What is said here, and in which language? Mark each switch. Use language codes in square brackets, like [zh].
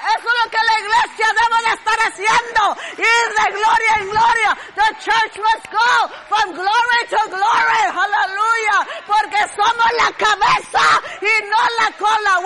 [es] Eso es lo que la iglesia debe de estar haciendo. Ir de gloria en gloria. [en] The church must go from glory to glory. Hallelujah. [es] Porque somos la cabeza y no la cola.